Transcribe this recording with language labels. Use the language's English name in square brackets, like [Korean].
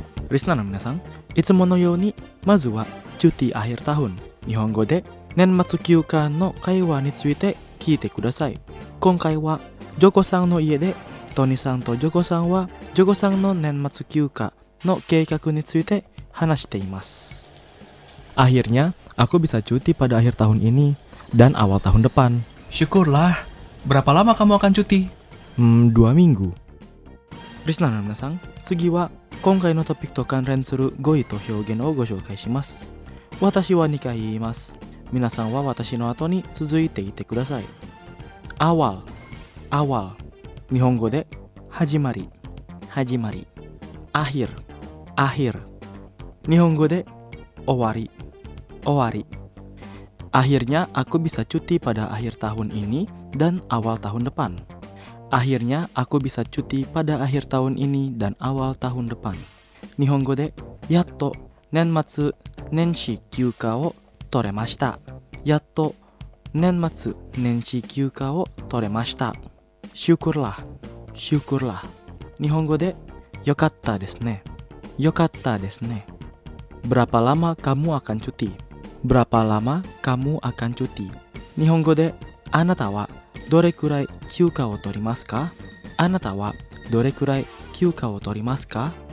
[Japanese] リスナーの皆さん、いつものように、まずはチュティアヒルタフン、日本語で年末休暇の会話について聞いてください。今回はジョコさんの家でトニさんとジョコさんはジョコさんの年末休暇の計画について話しています。 [Indonesian] Akhirnya aku bisa cuti pada akhir tahun ini dan awal tahun depan. Syukurlah. Berapa lama kamu akan cuti? 2 minggu. [Japanese] Risnanamnasan, 次は今回のトピックと関連する語彙と表現をご紹介します。私は2回言います。皆さんは私の後に続いていてください。 [Indonesian] Awal, awal, [Japanese] 日本語で始まり、始まり。 [Indonesian] Akhir, akhir, [Japanese] 日本語で終わり、終わり。 [Indonesian] Akhirnya aku bisa cuti pada akhir tahun ini dan awal tahun depan. Akhirnya aku bisa cuti pada akhir tahun ini dan awal tahun depan. [Japanese] 日本語でやっと年末年始休暇を取れました。やっと年末年始休暇を取れました。 [Indonesian] Syukurlah, syukurlah. [Japanese] 日本語でよかったですね。よかったですね。 [Indonesian] Berapa lama kamu akan cuti? Berapa lama kamu akan cuti? [Japanese] 日本語であなたはどれくらい休暇を取りますか？あなたはどれくらい休暇を取りますか？